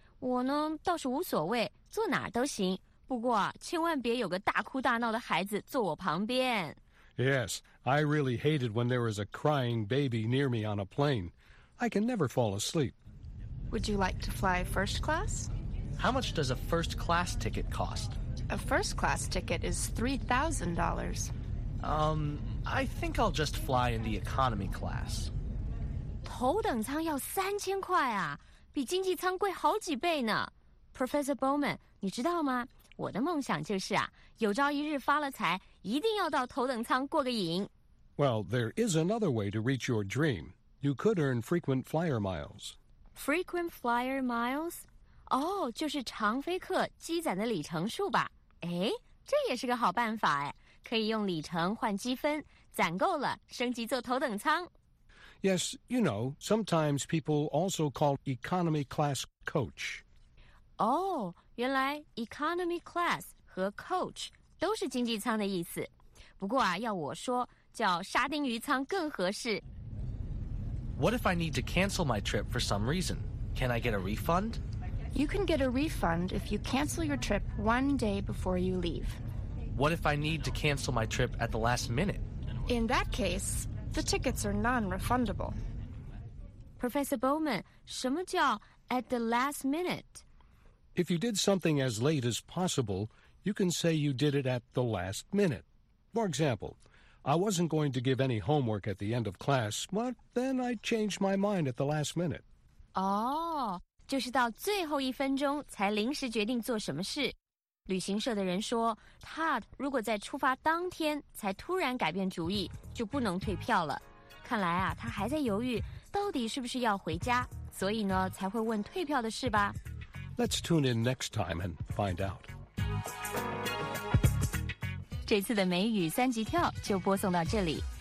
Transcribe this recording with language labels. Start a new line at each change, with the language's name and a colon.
Chinese: 我呢倒是无所谓，坐哪儿都行。不过啊，千万别有个大哭大闹的孩子坐我旁边。
English: Yes, I really hated when there was a crying baby near me on a plane. I can never fall asleep. Would you like to fly first class? How much does a first class ticket cost? A first class ticket is $3,000. I think I'll just fly in the economy class.
Chinese: 头等舱要3000块啊，比经济舱贵好几倍呢。 Professor Bowman, 你知道吗？我的梦想就是啊，有朝一日发了财，一定要到头等舱过个瘾。
English: Well, there is another way to reach your dream. You could earn frequent flyer miles. Frequent flyer miles?
Chinese: 哦，就是常飞客积攒的里程数吧？哎，这也是个好办法哎，可以用里程换积分，攒够了升级坐头等舱。
English: Yes, you know, sometimes people also call economy class coach.
Chinese: Oh, 原来 economy class 和 coach 都是经济舱的意思。不过啊，要我说，叫沙丁鱼舱更合适。
English: What if I need to cancel my trip for some reason? Can I get a refund? You can get a refund if you cancel your trip one day before you leave. What if I need to cancel my trip at the last minute? In that case... The tickets are non-refundable.
Chinese: Professor Bowman, 什么叫
English: at the last minute? If you did something as late as possible, you can say you did it at the last minute. For example, I wasn't going to give any homework at the end of class, but then I changed my mind at the last minute.
Chinese: 哦、oh, ，就是到最后一分钟才临时决定做什么事。旅行社的人说 ，Todd 如果在出发当天才突然改变主意，就不能退票了。看来啊，他还在犹豫到底是不是要回家，所以呢才会问退票的事吧。
English: Let's tune in next time and find out.
Chinese: 这次的美语三级跳就播送到这里。